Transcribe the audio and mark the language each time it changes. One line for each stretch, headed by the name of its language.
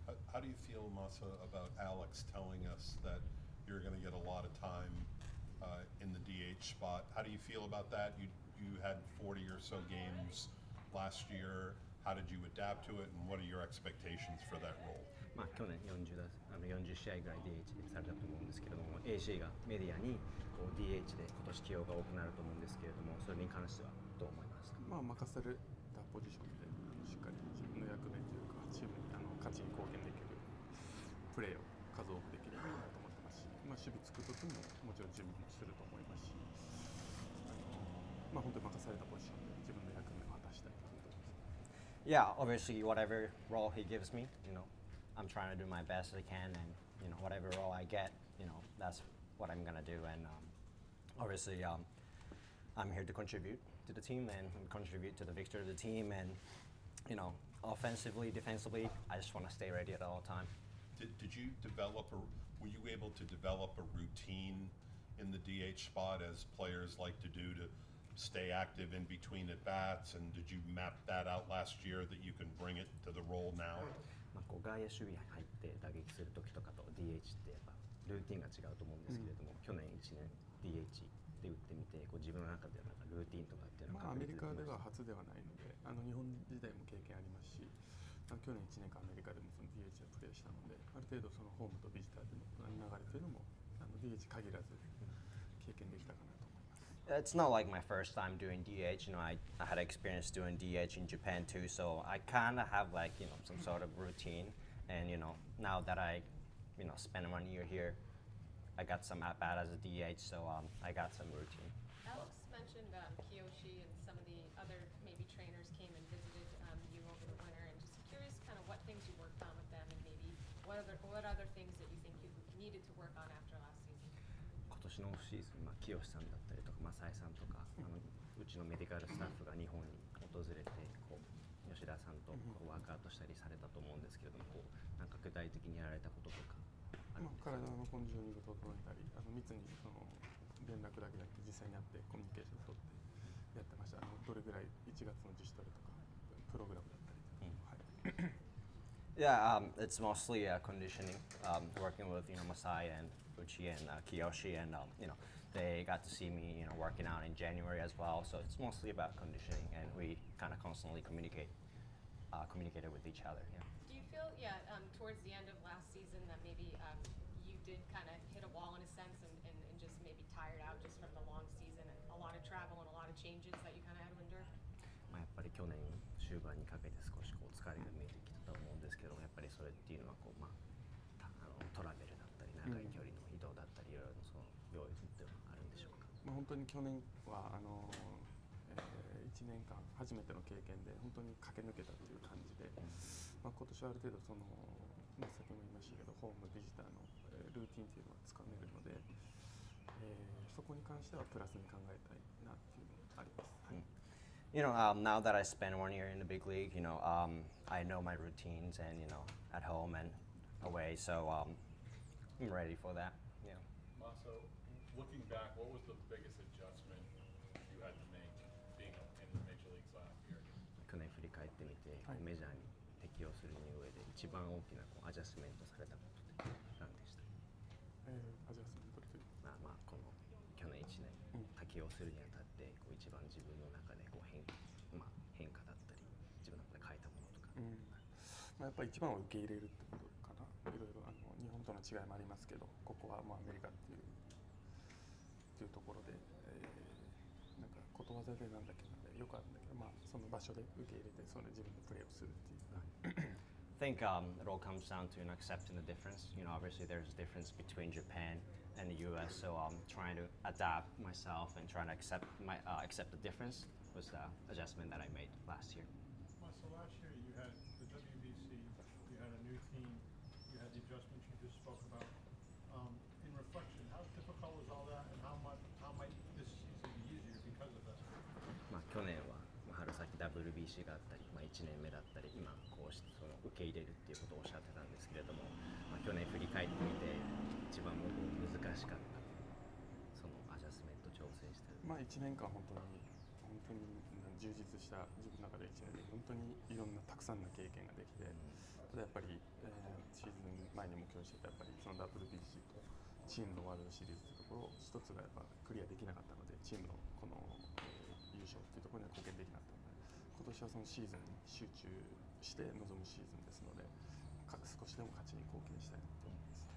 English: How do you feel, Masa, about Alex telling us that you're going to get a lot of time in the DH spot? How do you feel about that? You had 40 or so games last year. How did you adapt to it, and what are your expectations for that role?
Japanese: まあ去年40だ、あの40試合ぐらい DH でされたと思うんですけれども、AC がメディアにこう DH で今年起用が多くなると思うんですけれども、それに関してはどう思いますか？まあ任されたポジションで、しっかり自分の役目というか、チームにあの勝ちに貢献できるプレーを数多くできればいいなと思ってますし、まあ守備つくときももちろん準備もすると思いますし、まあ本当に任されたポジションで自分の役目を果たしたいなと思います。
English: Yeah, obviously, whatever role he gives me, you know, I'm trying to do my best as I can, and, you know, whatever role I get, you know, that's what I'm going to do. And obviously, I'm here to contribute to the team and contribute to the victory of the team. And, you know, offensively, defensively, I just want to stay ready at all time. Did you develop or were you able to develop a routine in the DH spot as players like to do to stay active in between at bats, and did you map that out last year that you can bring it to the role now?
Japanese: まあ、こう外野守備入って打撃する時とかと DH ってやっぱルーティンが違うと思うんですけれども、去年1年 DH で打ってみて、こう自分の中でなんかルーティンとかっていうのは、まあ、アメリカでは初ではないので、あの日本時代も経験ありますし、去年1年間アメリカでもその DH でプレーしたので、ある程度そのホームとビジターでの流れというのも、あの DH 限らず経験できたかなと。
English: It's not like my first time doing DH, you know, I had experience doing DH in Japan too, so I kind of have like, you know, some sort of routine, and you know, now that I, you know, spend 1 year here, I got some at bat as a DH, so I got some routine. Alex mentioned Kiyoshi and some of the other maybe trainers came and visited you over the winter, and just curious kind of what things you worked on with them, and maybe what other things that you think you needed to work on after last season?
Japanese: 今年のオフシーズン、まあ、清さんだったりとか、マサイさんとか、あのうちのメディカルスタッフが日本に訪れて、こう吉田さんとこうワークアウトしたりされたと思うんですけれども、こうなんか具体的にやられたこととか、まあ、体のコンディショニングを整えたり、あの密にその連絡だけじゃなくて、実際に会ってコミュニケーションを取ってやってました、あのどれぐらい1月の自主トレとか、プログラムだったりとか。うん、はい。
English: Yeah, it's mostly conditioning, working with, you know, Masai and Uchi and Kiyoshi, and, you know, they got to see me, you know, working out in January as well, so it's mostly about conditioning, and we kind of constantly communicated with each other, yeah. Do you feel, towards the end of last season that maybe you did kind of hit a wall in a sense and just maybe tired out just from the long season and a lot of travel and a lot of changes that you kind of had to endure?
Japanese: まあ、やっぱり去年終盤にかけて少しこう疲れが見えてきたと思うんですけども、やっぱりそれっていうのはこう、まあ、あのトラベルだったり長い距離の移動だったりいろいろのその要因ってはあるんでしょうか。まあ、本当に去年はあの、1年間初めての経験で本当に駆け抜けたという感じで、まあ、今年はある程度その、まあ、先ほども言いましたけどホームビジターのルーティンというのはつかめるので、そこに関してはプラスに考えたいなっていうのがあります。はい。
English: You know, now that I spent 1 year in the big league, you know, I know my routines and, you know, at home and away, so I'm ready for that, yeah. Maso, looking back, what was the biggest adjustment you had to make being in the major leagues last year?
Japanese: 去年振り返ってみて、はい、メジャーに適応するに上で一番大きなこうアジャスメントされたことって何でした？アジャスメントって？まあまあ、この去年1年、適応するにあたってこう一番自分の中でこう 変化だったり自分の中で変えたものとか、うん、まあ、やっぱり一番は受け入れるってことかな。いろいろあの日本との違いもありますけど、ここはもうアメリカっていうところで、なんかことわざでなんだっけなんでよくあるんだけど、まあ、その場所で受け入れてその自分のプレーをするっていう。
English: I think it all comes down to, you know, accepting the difference. You know, obviously there's a difference between Japan and the U.S. So I'm trying to adapt myself and trying to accept my accept the difference was the adjustment that I made last year. Well, so last year you had the WBC, you had a new team, you had the adjustments you just spoke about. In reflection, how difficult was all that, and how might this season be easier because of that?
Japanese: まあ去年は春先 WBC があったり、まあ、1年目だったり、今こうしてその受け入れるっていうことをおっしゃってたんですけれども、まあ、去年振り返ってみて、番難しかったそのアジャスメント調整してる、まあ、1年間本当に充実した自分の中で1年で本当にいろんなたくさんの経験ができて、うん、ただやっぱり、シーズン前にも共有していたやっぱりそのWBCとチームのワールドシリーズというところを一つがやっぱクリアできなかったのでチームのこの、優勝というところには貢献できなかったので今年はそのシーズンに集中して臨むシーズンですので少しでも勝ちに貢献したいと思います